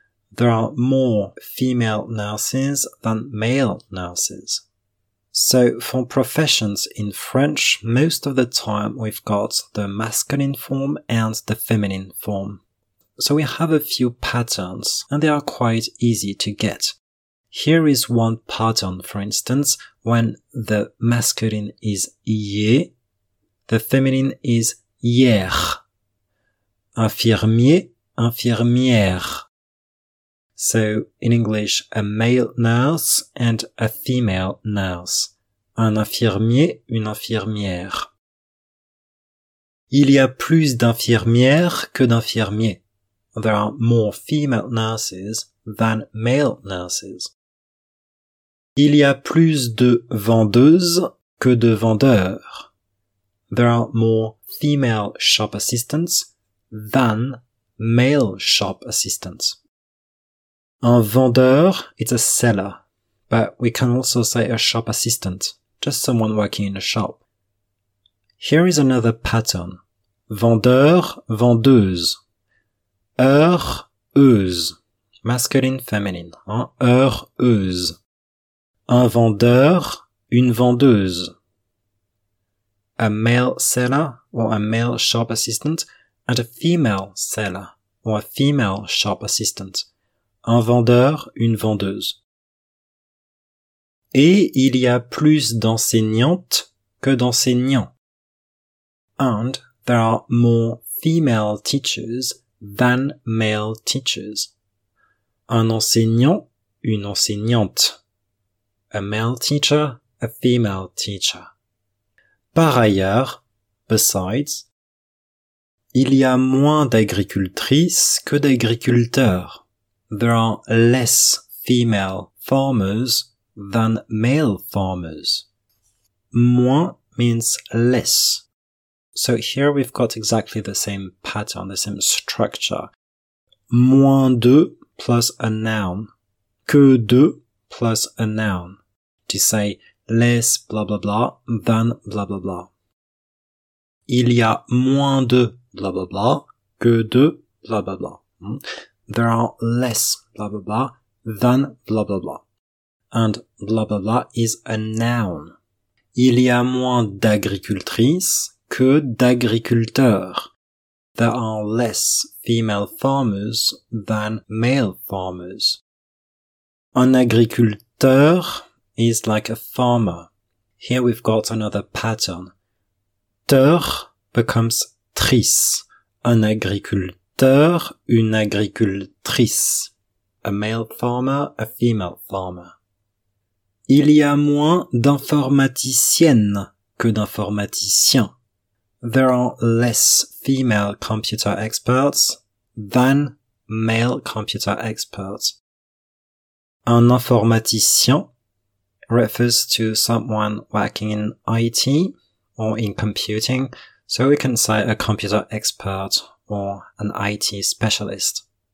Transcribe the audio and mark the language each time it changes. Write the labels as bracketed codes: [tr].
[en] There are more female nurses than male nurses. So for professions in French, most of the time we've got the masculine form and the feminine form. So we have a few patterns, and they are quite easy to get. Here is one pattern, for instance, when the masculine is yé, the feminine is hier. [fr] Infirmier, infirmière. [en] So in English, a male nurse and a female nurse. [fr] Un infirmier, une infirmière. Il y a plus d'infirmières que d'infirmiers. [en] There are more female nurses than male nurses. [fr] Il y a plus de vendeuses que de vendeurs. [en] There are more female shop assistants than male shop assistants. Un vendeur, it's a seller, but we can also say a shop assistant, just someone working in a shop. Here is another pattern. [fr] Vendeur, vendeuse. Heureuse. [en] Masculine, feminine. [fr] Hein? Heureuse. Un vendeur, une vendeuse. [en] A male seller or a male shop assistant and a female seller or a female shop assistant. [fr] Un vendeur, une vendeuse. Et il y a plus d'enseignantes que d'enseignants. [en] And there are more female teachers than male teachers. [fr] Un enseignant, une enseignante. [en] A male teacher, a female teacher. [fr] Par ailleurs, [en] besides, [fr] il y a moins d'agricultrices que d'agriculteurs. [en] There are less female farmers than male farmers. Moins means less. So here we've got exactly the same pattern, the same structure. [fr] Moins de [en] plus a noun. [fr] Que de [en] plus a noun. To say less blah blah blah than blah blah blah. [fr] Il y a moins de blah blah blah que de blah blah blah. [en] There are less blah blah blah than blah blah blah. And blah blah blah is a noun. [fr] Il y a moins d'agricultrices que d'agriculteurs. [en] There are less female farmers than male farmers. Un agriculteur is like a farmer. Here we've got another pattern. Teur becomes tris. [fr] Un agriculteur, une agricultrice. [en] A male farmer, a female farmer. [fr] Il y a moins d'informaticiennes que d'informaticiens. [en] There are less female computer experts than male computer experts. Un informaticien refers to someone working in IT or in computing, so we can say a computer expert or an IT specialist.